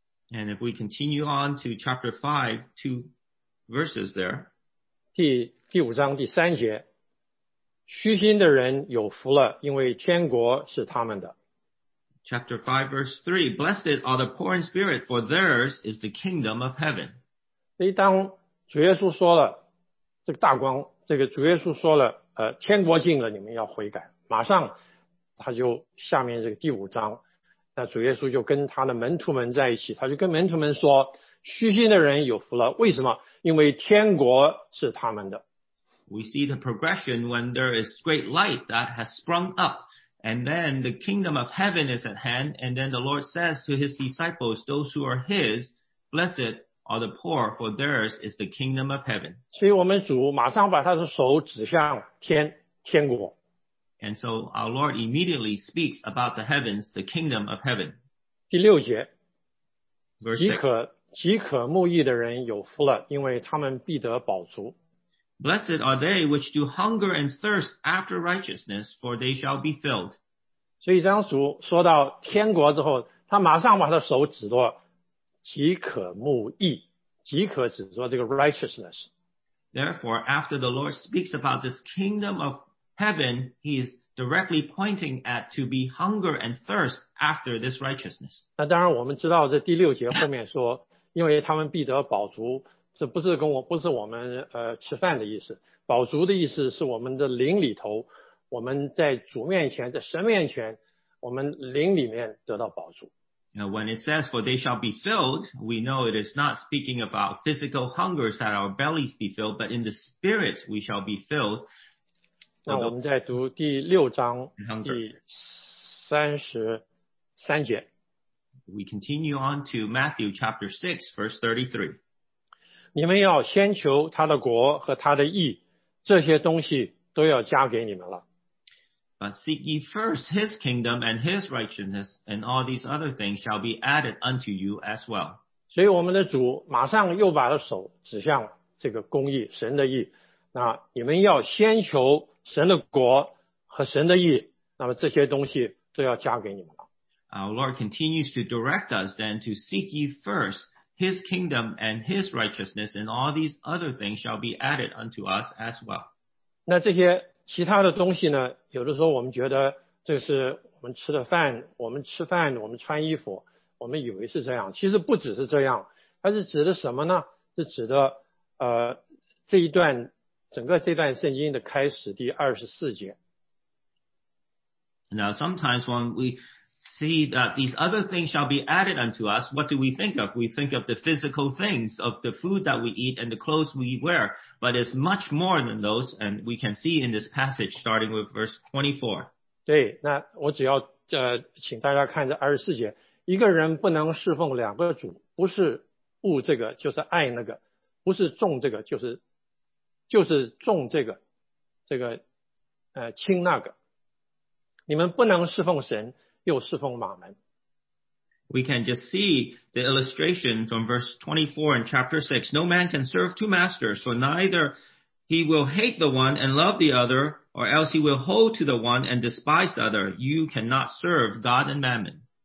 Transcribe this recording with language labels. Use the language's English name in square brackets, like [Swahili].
[English] And if we continue on to chapter 5, two verses there. [Chinese] 第五章第三节。虚心的人有福了，因为天国是他们的。 [English] Chapter 5, verse 3. Blessed are the poor in spirit, for theirs is the kingdom of heaven. [Chinese] 所以当主耶稣说了这个大光，这个主耶稣说了天国近了，你们要悔改。马上他就下面这个第五章，那主耶稣就跟他的门徒们在一起，他就跟门徒们说，虚心的人有福了。为什么？因为天国是他们的。 [English] We see the progression when there is great light that has sprung up, and then the kingdom of heaven is at hand, and then the Lord says to his disciples, those who are his, blessed are the poor, for theirs is the kingdom of heaven. [Chinese] 所以我们主马上把他的手指向天国。 [English] And so our Lord immediately speaks about the heavens, the kingdom of heaven. [Chinese] 第六节。 [English] Verse 6. [Chinese] 饥渴慕义的人有福了，因为他们必得饱足。 [English] Blessed are they which do hunger and thirst after righteousness, for they shall be filled. [Chinese] 所以当主说到天国之后，他马上把他的手指到饥渴慕义，饥渴指说这个 righteousness。 [English] Therefore, after the Lord speaks about this kingdom of heaven, he is directly pointing at to be hunger and thirst after this righteousness. [Chinese] 那当然我们知道这第六节后面说，因为他们必得饱足，这不是我们吃饭的意思。饱足的意思是我们的灵里头，我们在主面前，在神面前，我们灵里面得到饱足。 [English] Now, when it says, for they shall be filled, we know it is not speaking about physical hungers that our bellies be filled, but in the spirit we shall be filled. [Chinese] 那我们再读第六章第33节。 [English] We continue on to Matthew chapter 6, verse 33. [Chinese] 你们要先求他的国和他的义，这些东西都要加给你们了。 [English] But seek ye first his kingdom and his righteousness, and all these other things shall be added unto you as well. [Chinese] 所以我们的主马上又把手指向这个公义，神的义。那你们要先求神的国和神的义，那么这些东西都要加给你们了。 [English] Our Lord continues to direct us then to seek ye first his kingdom and his righteousness, and all these other things shall be added unto us as well. [Chinese] 那这些其他的东西呢，有的时候我们觉得这是我们吃的饭，我们吃饭，我们穿衣服，我们以为是这样，其实不只是这样，它是指的什么呢？是指的这一段，整个这段圣经的开始，第24节。 [English] Now sometimes when we see that these other things shall be added unto us, what do we think of? We think of the physical things, of the food that we eat and the clothes we wear, but it's much more than those, and we can see in this passage starting with verse 24. [Chinese] 对，那我只要请大家看这24节，一个人不能侍奉两个主，不是恶这个就是爱那个，不是重这个就是重这个轻那个，你们不能侍奉神又侍奉马门。 [English] We can just see the illustration from verse 24 in chapter 6. No man can serve two masters, for neither he will hate the one and love the other, or else he will hold to the one and despise the other. You cannot serve God and mammon.